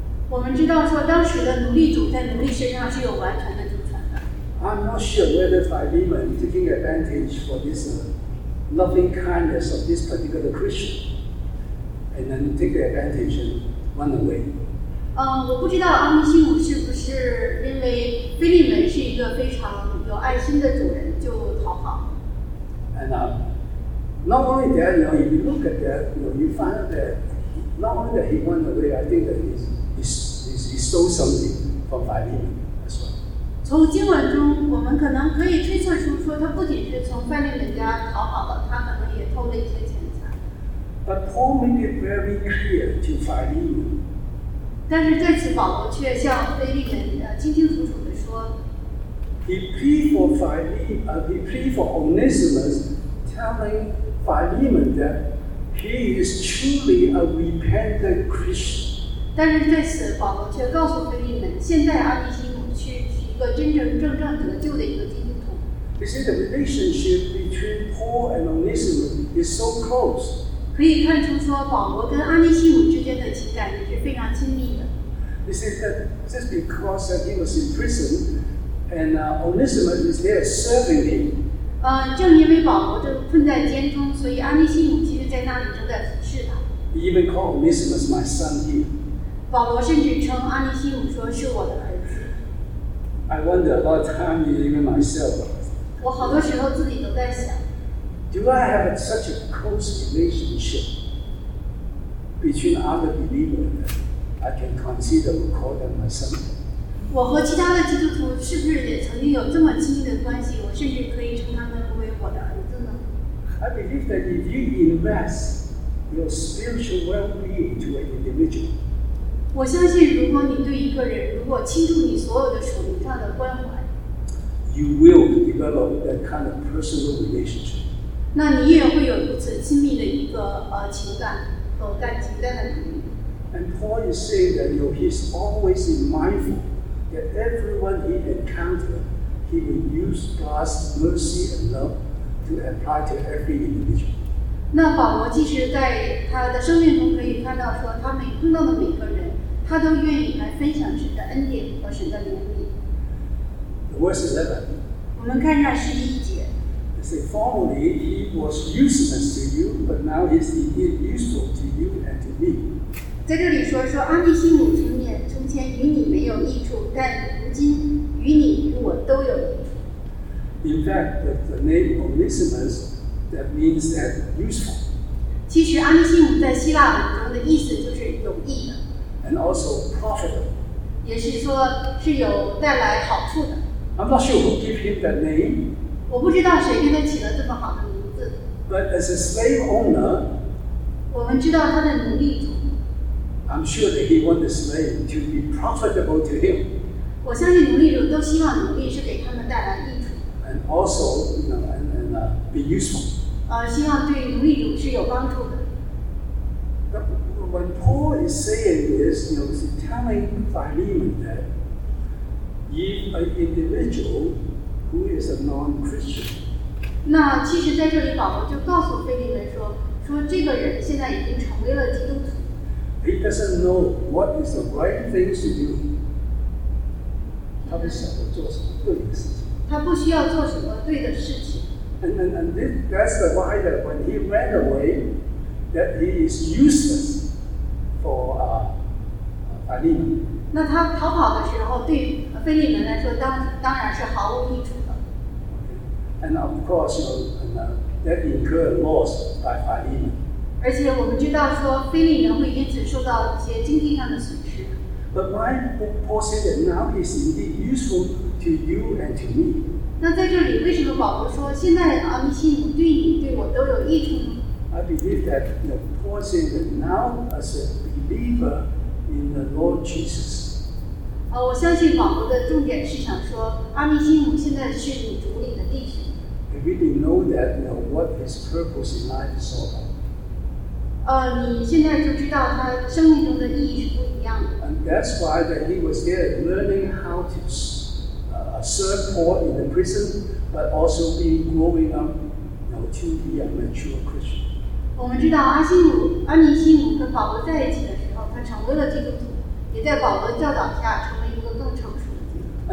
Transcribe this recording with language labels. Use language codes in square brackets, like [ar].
[zh] 我们知道说当时的奴隶主在奴隶身上是有完全的主权的。 [en] I'm not sure whether Philemon taking advantage for this loving kindness of this particular Christian and then take advantage and run away. [zh] 我不知道阿尼西姆是不是因为腓立门是一个非常有爱心的主人就逃跑。 [en] And not only that, if you look at that, you find that. Not only that he went away, I think that he stole something from Philemon as well. [zh] 从经文中，我们可能可以推测出，说他不仅是从腓立门家逃跑了，他可能也偷了一些钱财。 [en] But Paul made it very clear to Philemon. [zh] 但是在此，保罗却向腓立门清清楚楚地说 [en] ，He pleaded for he pleaded for Onesimus, telling Philemon that. He is truly a repentant Christian. [zh] 但是对此，保罗却告诉腓立门，现在阿尼西姆是一个真真正正得救的一个基督徒。 [en] You see, the relationship between Paul and Onesimus is so close. [zh] 可以看出说，保罗跟阿尼西姆之间的情感也是非常亲密的。 [en] You see, that just because that he was in prison, and Onesimus is there serving him. [zh] 正因为保罗正困在监中，所以阿尼西姆其实在那里正在服侍他。 [en] He even called Onesimus my son here. [zh] 保罗甚至称阿尼西姆说是我的儿子。 [en] I wonder a lot of time even myself. [zh] 我好多时候自己都在想 [en] ，Do I have such a close relationship between other believers that I can consider to call them my son? [zh] 我和其他的基督徒是不是也曾经有这么亲密的关系？我甚至可以称他们为我的儿子呢 [en] ？I believe that if you invest your spiritual well-being to an individual, [zh] 我相信如果你对一个人如果倾注你所有的属灵上的关怀 [en] ，you will develop that kind of personal relationship. [zh] 那你也会有如此亲密的一个情感和情感的能力。 [en] And Paul is saying that he's always in mindful. That everyone he encountered, he will use God's mercy and love to apply to every individual. [zh] 那保罗其实在他的生命中可以看到说他每碰到的每个人他都愿意来分享神的恩典和神的怜悯。 [en] Verse 11. [zh] 我们看一下十一节。 [en] They say, formerly he was useless to you, but now he's indeed useful to you and to me. [zh] 在这里说阿尼西姆从前与你没有益处，但如今与你与我都有益处。 [en] In fact, the name Onesimus that means that useful. [zh] 其实阿尼西姆在希腊文中的意思就是有益的。 [en] And also profitable. [zh] 也是说是有带来好处的。 [en] I'm not sure who gave him that name. [zh] 我不知道谁给他起了这么好的名字。 [en] But as a slave owner, [zh] 我们知道他的奴隶主。 [en] I'm sure that he wants the slave to be profitable to him. [zh] 我相信奴隶主都希望奴隶是给他们带来益处。 [en] And also, be useful. [zh] 希望对奴隶主是有帮助的。 [en] But when Paul is saying this, he's telling Philemon that if an individual who is a non-Christian [zh] 那其实在这里保罗就告诉腓利门说这个人现在已经成为了基督徒。 [en] He doesn't know what is the right thing to do. [zh] 他不晓得做什么对的事情。他不需要做什么对的事情。 [en] And that's why that when he ran away, that he is useless for Philemon. [zh] 那他逃跑的时候，对于腓利门来说，当然是毫无益处的。 [en] And of course, you know, that incurred loss by Philemon. [zh] 而且我们知道说腓利门会因此受到一些经济上的损失。 [en] But why Paul said that now is indeed useful to you and to me? [zh] 那在这里为什么保罗说现在阿弥信对你对我都有益处呢？ [en] I believe that Paul said that now as a believer in the Lord Jesus. [zh] 我相信保罗的重点是想说阿弥信现在是你主里的弟兄。 [en] And we didn't know that what his purpose in life is all about. [zh] 你现在就知道他生命中的意义是不一样的。 [en] And that's why that he was there learning how to serve Paul in the prison, but also being growing up, to be a mature Christian. [zh] 我们知道阿尼西姆跟保罗在一起的时候，他成为了基督徒，也在保罗教导下成为一个更成熟的基督徒。